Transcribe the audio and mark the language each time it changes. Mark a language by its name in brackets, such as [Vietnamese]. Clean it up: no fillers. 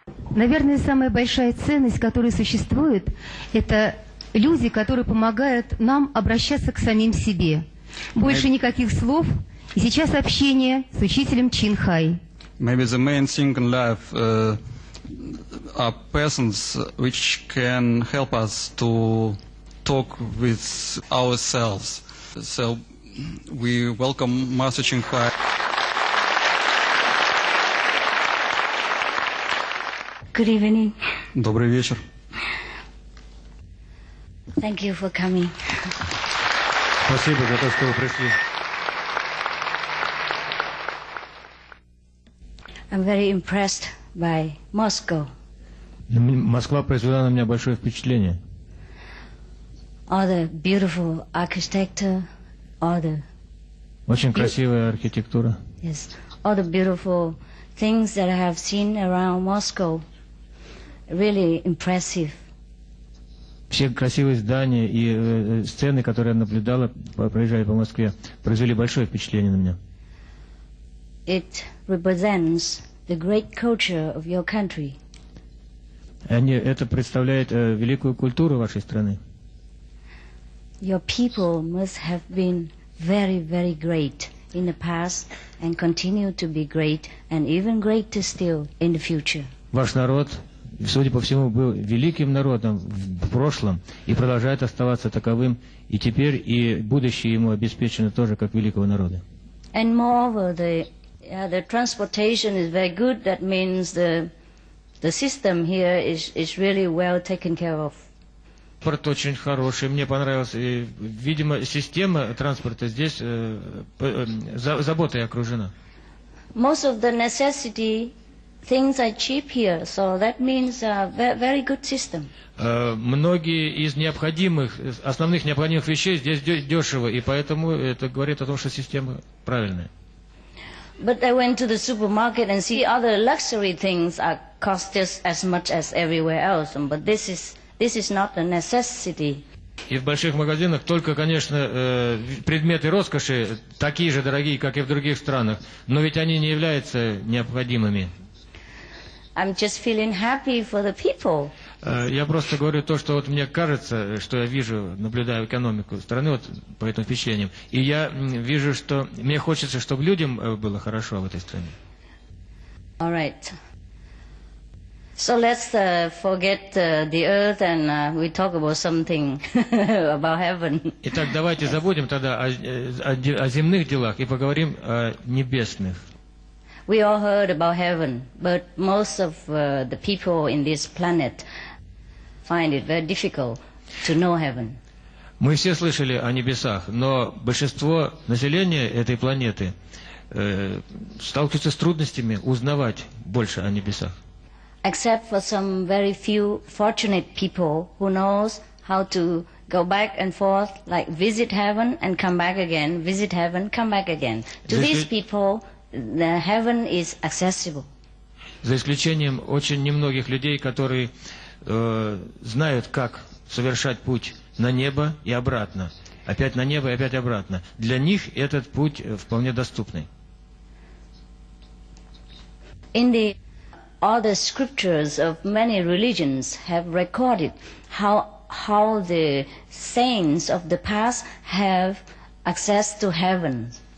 [Russian] Наверное, самая большая ценность, которая существует, это люди, которые помогают нам обращаться к самим себе. Больше никаких слов. И сейчас общение с учителем Чин Хай. [English] Maybe the main thing in life are persons which can help us to talk with ourselves. So we welcome Master Chin Hai. Good evening. [Russian] Добрый вечер. [English] Thank you for coming. [Russian] Спасибо за то, что вы пришли. [English] I'm very impressed by Moscow. [Russian] Москва произвела на меня большое впечатление. [English] All the beautiful architecture, all the [Russian] очень красивая архитектура. [English] Yes, all the beautiful things that I have seen around Moscow. Really impressive. [Russian] Все красивые здания и сцены, которые я наблюдала, проезжая по Москве, произвели большое впечатление на меня. [English] It represents the great culture of your country. [Russian] Это представляет великую культуру вашей страны. [English] Your people must have been very, very great in the past and continue to be great and even greater still in the future. [Russian] Ваш народ, судя по всему, был великим народом в прошлом и продолжает оставаться таковым, и теперь и будущее ему обеспечено тоже как великого народа. [English] And moreover, the transportation is very good. That means the system here is really well taken care of. [Russian] Транспорт очень хороший, мне понравилось. И, видимо, система транспорта здесь заботой окружена. [English] Most of the necessity. Things are cheap here, so that means a very good system. [Russian] Многие из необходимых, основных необходимых вещей здесь дешево, и поэтому это говорит о том, что система правильная. [English] But I went to the supermarket and see other luxury things are cost just as much as everywhere else, but this is not a necessity. [Russian] И в больших магазинах только, конечно, предметы роскоши такие же дорогие, как и в других странах, но ведь они не являются необходимыми. [English] I'm just feeling happy for the people. [Russian] Я просто говорю то, что вот мне кажется, что я вижу, наблюдаю экономику страны вот по этим впечатлениям. И я вижу, что мне хочется, чтобы людям было хорошо в этой стране. [English] All right. So let's forget the earth and we talk about something about heaven. [Russian] Итак, давайте yes. Забудем тогда о земных делах и поговорим о небесных. [English] We all heard about heaven, but most of the people in this planet find it very difficult to know heaven. [Russian] Мы все слышали о небесах, но большинство населения этой планеты сталкивается с трудностями узнавать больше о небесах. [English] Except for some very few fortunate people who knows how to go back and forth, like visit heaven and come back again, visit heaven, come back again. To these people, the heaven is accessible. [Russian] За исключением очень немногих людей, которые знают, как совершать путь на небо и обратно. Опять на небо и опять обратно. Для них этот путь вполне доступный. [English] In the other scriptures of many religions have recorded how the saints of the past have access to heaven.